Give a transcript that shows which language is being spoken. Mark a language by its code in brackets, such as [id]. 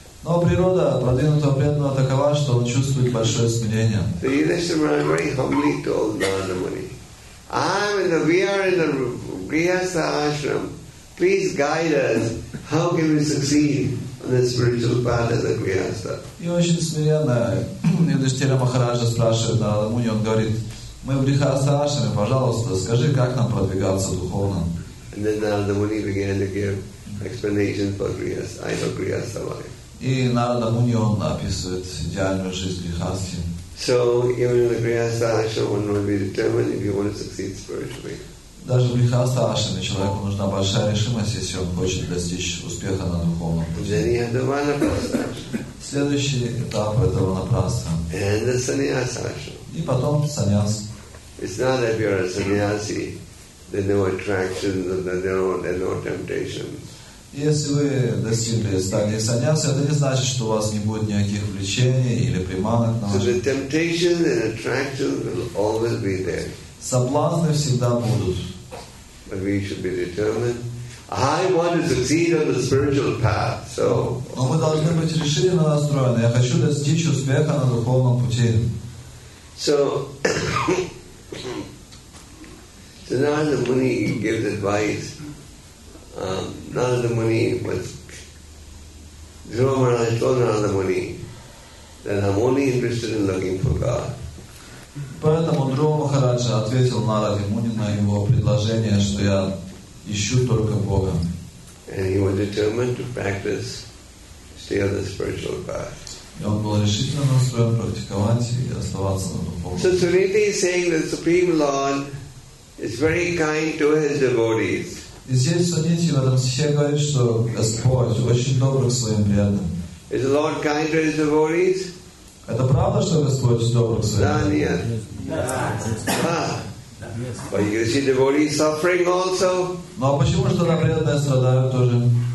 [ru] Но природа продвинутого преданного такова, что он чувствует большое смирение. [en] So you listen to Ramana Muni, humbly told Narada Muni, we are in the Grihastha ashram. Please guide us. How can we succeed on the spiritual path as a Grihastha? [ru] И очень смиренно Юдиштхира Махараджа спрашивает Нарада Муни, он говорит, мы в Грихастха ашраме, пожалуйста, скажи, как нам продвигаться духовно. [en] And then Narada Muni began to give explanation for Grihastha. I know Grihastha life. [ru] И Нарада Муни он описывает идеальную жизнь грихасхи. [en] So even in the Grihastha ashram, one will be determined if you want to succeed spiritually. [ru] Даже в Грихастха ашраме человеку нужна большая решимость, если он хочет достичь успеха на духовном пути. [en] Then you have the Vanaprastha [ru] ashram. Следующий этап это Vanaprastha. [en] And the Sannyasa ashram. [ru] И потом Sannyas. [en] It's not that if you're a sannyasi, there's no attraction, there's no temptation. [ru] Если вы достигли стадии саньяса, это не значит, что у вас не будет никаких влечений или приманок на вас. [en] So the temptation and attraction will always be there. [ru] Соблазны всегда будут. [en] But we should be determined. I want to succeed on the spiritual path. So. [ru] Но мы должны быть решительно настроены. Я хочу достичь успеха на духовном пути. [en] So. So now the Muni gives advice. Narada Muni was Dhruva Maharaj told Narada Muni that I'm only interested in looking for God. [ru] Поэтому Дхрува Махараджа ответил Нараде Муни на его предложение, что я ищу только Бога. [en] And he was determined to practice, stay on the spiritual path. [ru] И он был решительно настроен практиковать и оставаться на духовном. [en] So Trinity is saying that the Supreme Lord is very kind to his devotees. [ru] И здесь Суннити в этом стихе говорит, что Господь очень добр к своим преданным. [en] Is the Lord kind to his devotees? [ru] Это правда, что Господь добр к своим преданным? Да, нет. [en] Yes. But you see devotees suffering also. [ru] Но почему же тогда преданные страдают тоже?